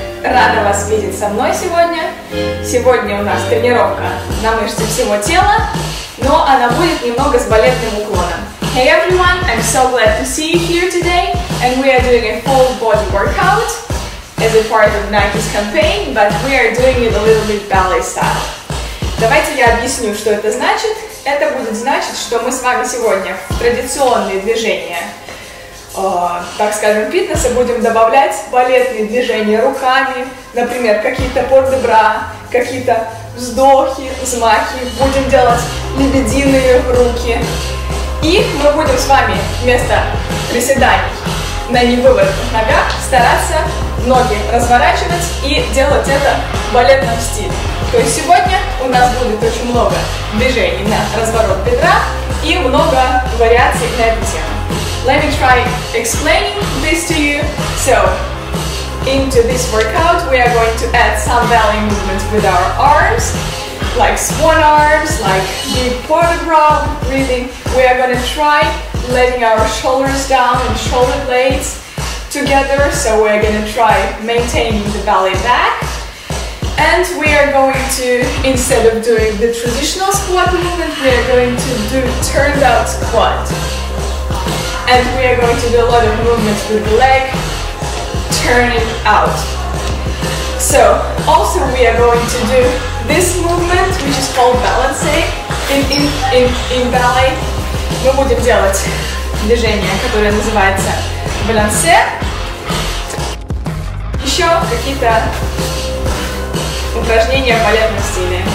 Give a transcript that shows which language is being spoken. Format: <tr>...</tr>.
<ru>Рада вас видеть со мной сегодня. Сегодня у нас тренировка на мышцы всего тела, но она будет немного с балетным уклоном.</ru> <en>Hey everyone, I'm so glad to see you here today, and we are doing a full body workout as a part of Nike's campaign, but we are doing it a little bit ballet style.</en> <ru>Давайте я объясню, что это значит. Это будет значить, что мы с вами сегодня в традиционные движения, так скажем, фитнеса будем добавлять балетные движения руками, например, какие-то подбра, какие-то вздохи, взмахи, будем делать лебединые руки. И мы будем с вами вместо приседаний на невыворотных ногах стараться ноги разворачивать и делать это в балетном стиле. То есть сегодня у нас будет очень много движений на разворот бедра и много вариаций на эту тему.</ru> <en>Let me try explaining this to you. So, into this workout, we are going to add some ballet movements with our arms, like swan arms, like deep portobello breathing. We are going to try letting our shoulders down and shoulder blades together. So we're going to try maintaining the ballet back. And we are going to, instead of doing the traditional squat movement, we are going to do turned out squat. And we are going to do a lot of movements with the leg, turning out. So, also we are going to do this movement, which is called balancing in ballet.</en> <ru>Мы будем делать движение, которое называется балансе. Еще какие-то упражнения в балетном стиле.</ru>